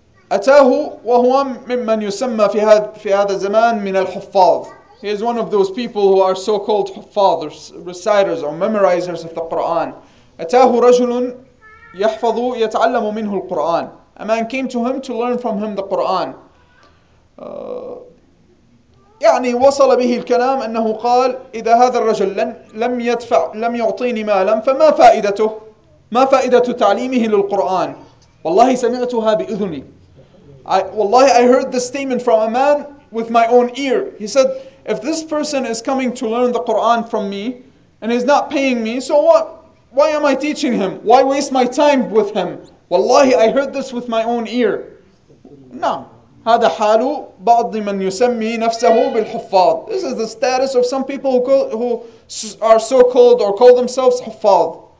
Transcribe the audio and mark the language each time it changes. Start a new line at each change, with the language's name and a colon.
Arabic: أتاه وهو ممن يسمى في هذا الزمان من الحفاظ.
English: He is one of those people who are so-called fathers, reciters or memorizers of the Quran.
Arabic: أتاه رجل يحفظ يتعلم منه القرآن.
English: A man came to him to learn from him the Quran.
Arabic: يعني وصل به الكلام أنه قال إذا هذا الرجل لم يعطيني مالا فما فائدته؟ ما فائدة تعليمه للقرآن؟ والله سمعتها بإذني.
English: I heard this statement from a man with my own ear. He said, if this person is coming to learn the Quran from me and he's not paying me, so what? Why am I teaching him? Why waste my time with him? Wallahi, I heard this with my own ear.
Arabic: نعم. هذا حال بعض من يسمي نفسه بالحفاظ.
English: This is the status of some people who are so called or call themselves حفاظ.